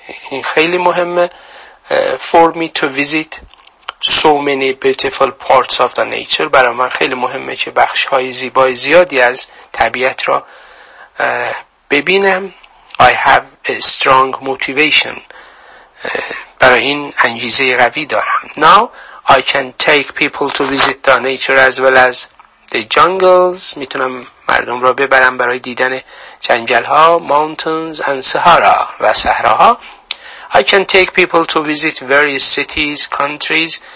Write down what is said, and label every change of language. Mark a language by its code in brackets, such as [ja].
[fa] این خیلی مهمه [en] for me to visit so many beautiful parts of the nature. [fa] برای من خیلی مهمه که بخش های زیبای زیادی از طبیعت را ببینم. [en] I have a strong motivation. [fa] برای این انگیزه قوی دارم. [en] Now I can take people to visit the nature as well as the jungles. [fa] میتونم مردم را ببرم برای دیدن جنگل ها، [en] mountains and [fa] صحرا و صحراها. [en] I can take people to visit various cities, countries.